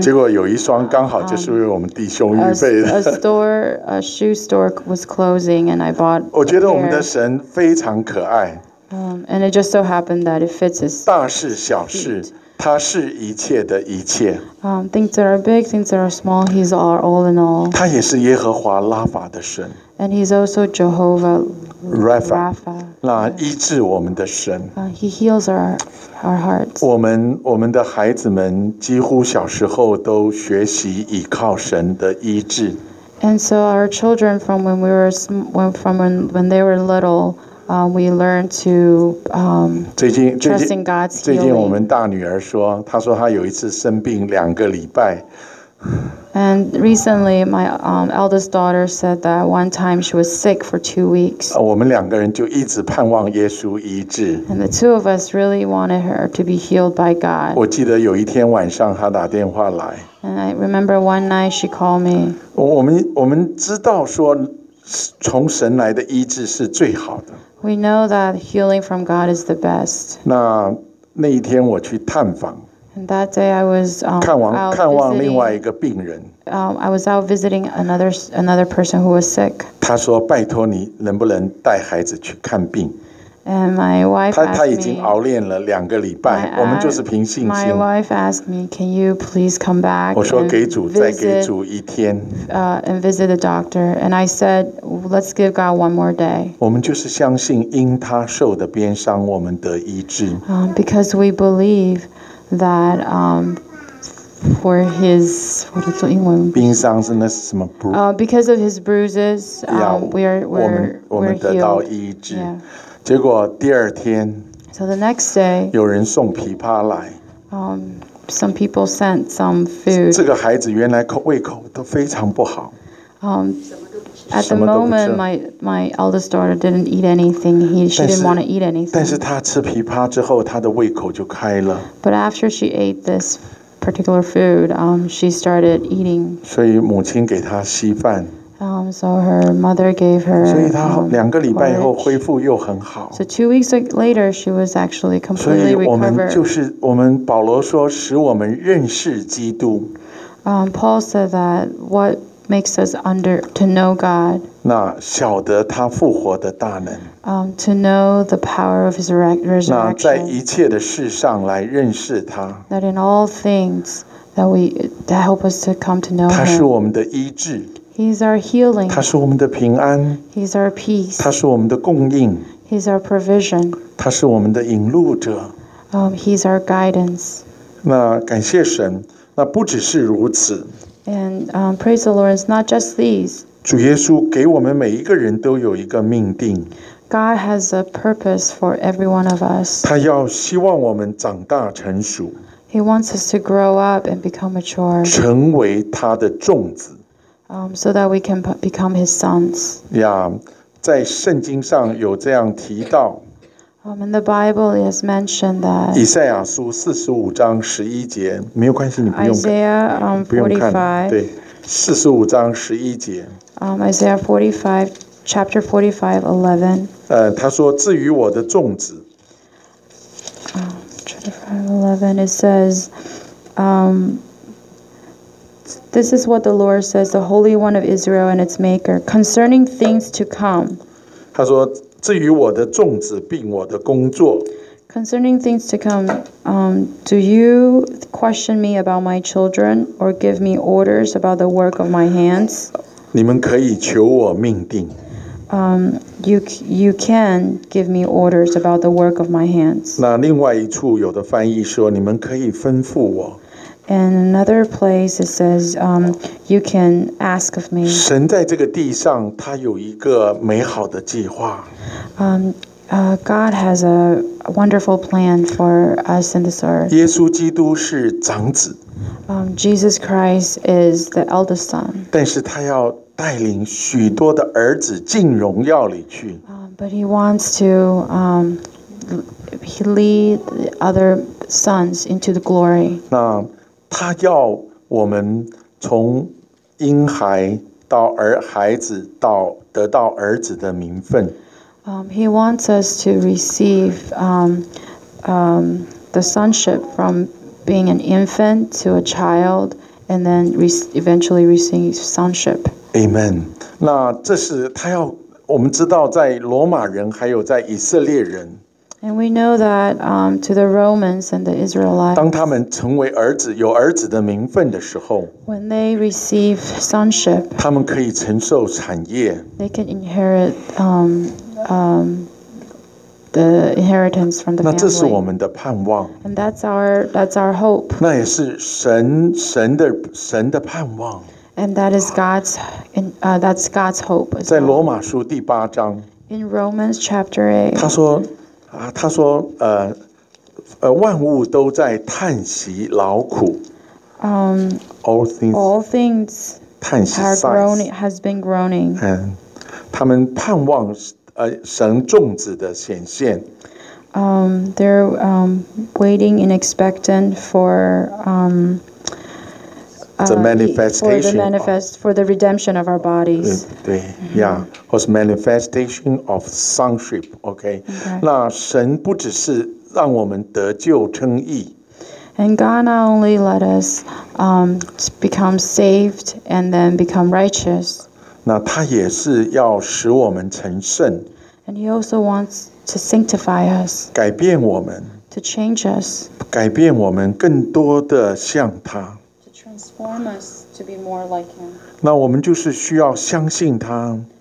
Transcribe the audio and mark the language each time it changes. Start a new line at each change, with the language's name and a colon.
Chinese: 结果有一双刚好就是为我们弟兄预备的。
English: A shoe store was closing, and I bought.
Chinese: 我觉得我们的神非常可爱。
English: And it just so happened that it fits his.
Chinese: 大事小事，他是一切的一切。
English: Things that are big, things that are small, He's all in all.
Chinese: 他也是耶和华拉法的神。
English: And He's also Jehovah Rapha. Rapha.
Chinese: 那医治我们的神。
English: He heals our hearts.
Chinese: 我们的孩子们几乎小时候都学习倚靠神的医治。
English: And so our children from when they were little, we learned to trust in God's healing.
Chinese: 最近我们大女儿说，她说她有一次生病2个礼拜。
English: And recently, my eldest daughter said that one time she was sick for 2 weeks.
Chinese: 我们两个人就一直盼望耶稣医治。
English: And the two of us really wanted her to be healed by God.
Chinese: 我记得有一天晚上她打电话来。
English: And I remember one night she called me.
Chinese: 我们知道说从神来的医治是最好的。
English: We know that healing from God is the best.
Chinese: 那一天我去探访。
English: And that day I was I was out visiting another person who was sick.
Chinese: 他说拜托你能不能带孩子去看病。
English: And my wife asked me.
Chinese: 他已经熬练了两个礼拜，我们就是凭信心。
English: My wife asked me, "Can you please come back?"
Chinese: 我说给主再给主一天。
English: And visit the doctor. And I said, "Let's give God one more day."
Chinese: 我们就是相信，因他受的鞭伤，我们得医治。
English: Because we believe that for his
Chinese: 我的中英文鞭伤是那是什么
English: bruise? Because of his bruises, we're healed.
Chinese: 我们得到医治。结果第二天
English: So the next day,
Chinese: 有人送枇杷来
English: Some people sent some food.
Chinese: 这个孩子原来胃口都非常不好
English: At the moment, my eldest daughter didn't eat anything. She didn't want to eat anything.
Chinese: 但是她吃枇杷之后她的胃口就开了
English: But after she ate this particular food, she started eating.
Chinese: 所以母亲给她稀饭
English: So her mother gave her.
Chinese: 所以她两个礼拜以后恢复又很好。
English: So 2 weeks later, she was actually completely recovered.
Chinese: 所以我们就是我们保罗说使我们认识基督。
English: Paul said that what makes us to know God.
Chinese: 那晓得他复活的大能。
English: To know the power of his resurrection.
Chinese: 那在一切的事上来认识他。
English: That in all things that we that help us to come to know him.
Chinese: 他是我们的医治。
English: He's our healing.
Chinese: 他是我们的平安。
English: He's our peace.
Chinese: 他是我们的供应。
English: He's our provision.
Chinese: 他是我们的引路者。
English: He's our guidance.
Chinese: 那感谢神，那不只是如此。
English: And praise the Lord, it's not just these.
Chinese: 主耶稣给我们每一个人都有一个命定。
English: God has a purpose for every one of us.
Chinese: 他要希望我们长大成熟。
English: He wants us to grow up and become mature.
Chinese: 成为他的种子。
English: So that we can become his sons.
Chinese: Yeah, 在圣经上有这样提到。
English: In the Bible, it is mentioned that.
Chinese: 以赛亚书四十五章十一节，没有关系，你不用看。
English: Isaiah 45.
Chinese: 对，四十五章十一节。
English: Isaiah 45, chapter 45:11.
Chinese: 他说：“至于我的众子。”
English: chapter 45:11, it says. This is what the Lord says, the Holy One of Israel and its Maker, concerning things to come.
Chinese: 他说，至于我的种子并我的工作。
English: Concerning things to come, do you question me about my children or give me orders about the work of my hands?
Chinese: 你们可以求我命定。
English: You can give me orders about the work of my hands.
Chinese: 那另外一处有的翻译说，你们可以吩咐我。
English: And another place it says, you can ask of me.
Chinese: 神在这个地上，他有一个美好的计划。
English: God has a wonderful plan for us in this earth.
Chinese: 耶稣基督是长子。
English: Jesus Christ is the eldest son.
Chinese: 但是他要带领许多的儿子进荣耀里去。
English: But he wants to, he lead the other sons into the glory.
Chinese: 那他要我们从婴孩到孩子到得到儿子的名分。
English: He wants us to receive the sonship from being an infant to a child, and then eventually receive sonship. Amen.
Chinese: 那这是他要我们知道，在罗马人还有在以色列人。
English: And we know that to the Romans and the Israelites,
Chinese: 当他们成为儿子有儿子的名分的时候
English: when they receive sonship,
Chinese: 他们可以承受产业
English: they can inherit the inheritance from the family.
Chinese: 那这是我们的盼望
English: and that's our hope.
Chinese: 那也是神的盼望
English: and that is God's that's God's hope.
Chinese: 在罗马书第八章
English: in Romans chapter 8,
Chinese: 他说他说万物都在叹息劳苦。
English: All things has been groaning.
Chinese: 他们盼望神种子的显现。
English: They're waiting and expectant for the manifestation for the redemption of our bodies.
Chinese: 对呀，或是
English: manifestation of sonship. Okay.
Chinese: 那神不只是让我们得救称义。
English: And God not only let us become saved and then become righteous.
Chinese: 那他也是要使我们成圣。
English: And he also wants to sanctify us,
Chinese: 改变我们
English: to change us,
Chinese: 改变我们更多的像他
English: to transform us to be more like him.
Chinese: 那我们就是需要相信他